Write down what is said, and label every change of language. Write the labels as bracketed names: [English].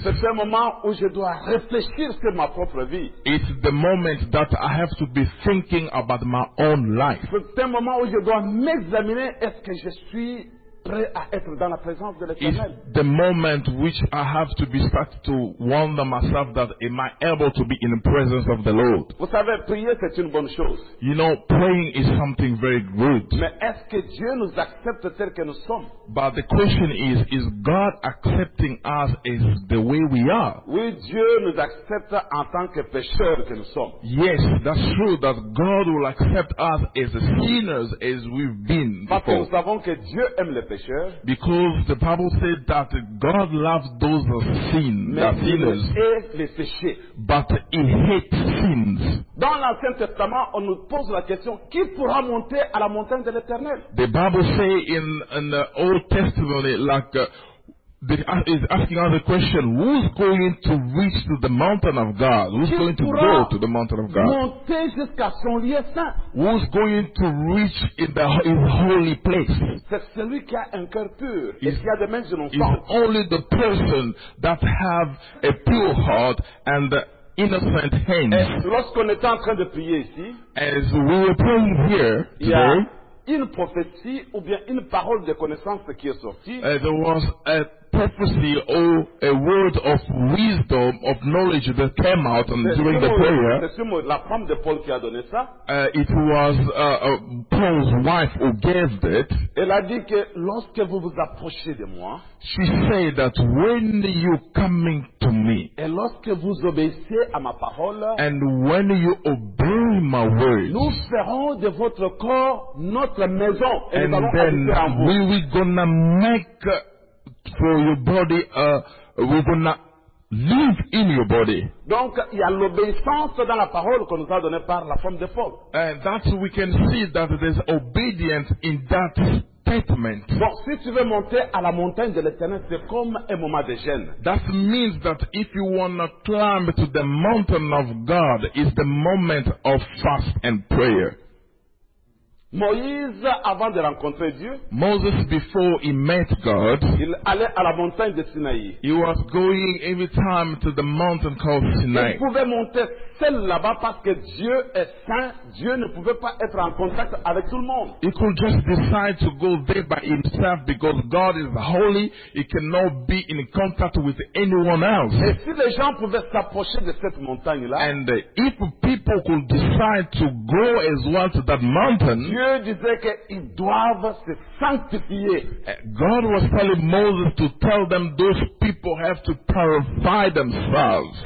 [French] C'est un moment où je dois réfléchir sur ma propre vie. [English] It's the moment that I have to be thinking about my own life. [French] C'est un moment où je dois m'examiner, est-ce que je suis prêt à être dans la présence de l'Éternel. [English] It's the moment which I have to be start to wonder myself that am I able to be in the presence of the Lord. [French] Vous savez, prier c'est une bonne chose. [English] You know, praying is something very good. [French] Mais est-ce que Dieu nous accepte tel que nous sommes? [English] But the question is God accepting us as the way we are? [French] Oui, Dieu nous accepte en tant que pécheurs que nous sommes. [English] Yes, that's true that God will accept us as sinners as we've been. [French] Parce que nous savons que Dieu aime les pécheurs. [English] Because the Bible said that God loves those who sin, [French] mais [English] the sinners. [French] Il hait les péchés. [English] But he hates sins. [French] Dans l'Ancien Testament, on nous pose la question, qui pourra monter à la montagne de l'Éternel? [English] The Bible says in the Old Testament, like is asking us the question, who's going to reach to the mountain of God? Who's [French] qui [English] going to go to the mountain of God? [French] Monter jusqu'à son lieu saint? [English] Who's going to reach in the in holy place? [French] C'est celui qui a un cœur pur et qui a des mains innocentes. [English] It's only the person that have a pure heart and innocent hands. [French] Et lorsqu'on est en train de prier ici, [English] as we are praying here today, [French] yeah, une prophétie ou bien une parole de connaissance qui est sortie. [English] There was a prophecy or a word of wisdom, of knowledge that came out during the prayer. [French] C'est la femme de Paul qui a donné ça. [English] It was Paul's wife who gave it. [French] Elle a dit que lorsque vous vous approchez de moi, [English] she said that when you coming to me, [French] et lorsque vous obéissez à ma parole, [English] and when you obey my words, [French] nous ferons de votre corps notre maison. [English] And then we gonna make for your body, we're gonna live in your body. [French] Donc, il y a l'obéissance dans la parole qu'on nous a donnée par la femme de Paul. [English] And that we can see that there's obedience in that. [French] Donc, si tu veux monter à la montagne de l'Éternel, c'est comme un moment de jeûne. [English] That means that if you want to climb to the mountain of God, it's the moment of fast and prayer. [French] Moïse, avant de rencontrer Dieu, [English] Moses, before he met God, [French] il allait à la montagne de Sinaï. [English] He was going every time to the mountain called Sinai. [French] Il pouvait monter seul là-bas parce que Dieu est saint. Dieu ne pouvait pas être en contact avec tout le monde. [English] He could just decide to go there by himself because God is holy. He cannot be in contact with anyone else. [French] Et si les gens pouvaient s'approcher de cette montagne-là, [English] and if people could decide to go as well to that mountain, [French] Dieu disait qu'ils doivent se sanctifier. [English] God was telling Moses to tell them those people have to purify themselves.